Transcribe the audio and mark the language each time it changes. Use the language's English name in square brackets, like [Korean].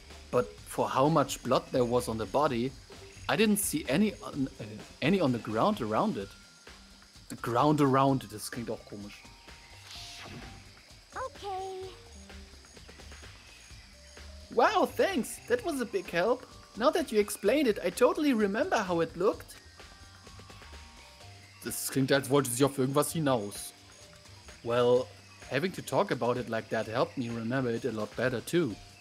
[English] But for how much blood there was on the body, I didn't see any on the ground around it. The ground around it, [German] das klingt auch komisch. [English] Okay. Wow, thanks. That was a big help. Now that you explained it, I totally remember how it looked. [German] Das klingt, als wollte sie auf irgendwas hinaus. [English] Well, having to talk about it like that helped me remember it a lot better too.